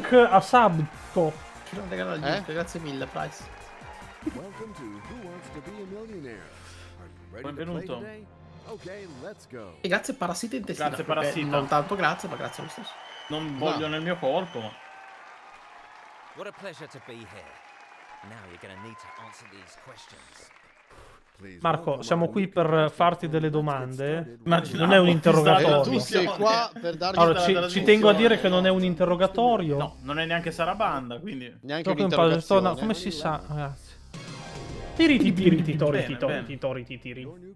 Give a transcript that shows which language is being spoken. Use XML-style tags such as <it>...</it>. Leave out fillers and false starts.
<it>Luke a Sabto. Che non regala la Luke, grazie mille, Price.</it> <en>Welcome to Who Wants to Be a Millionaire. Benvenuto. Ok, let's go.</en> <it>E grazie parassita intestinale. Grazie parassita. Non tanto grazie, ma grazie allo stesso. Non voglio nel mio corpo, ma.</it> <en>What a pleasure to be here. Now you're gonna need to answer these questions.</en> <it>Marco, siamo qui per farti delle domande. Immaginavo, non è un interrogatorio. Tu sei qua per darci allora, ci tengo a dire che non è un interrogatorio. No, non è neanche Sarabanda, quindi neanche un interrogatorio. No, come si sa, ragazzi. Tiriti, tiriti, toriti, toriti, toriti, tiri.</it>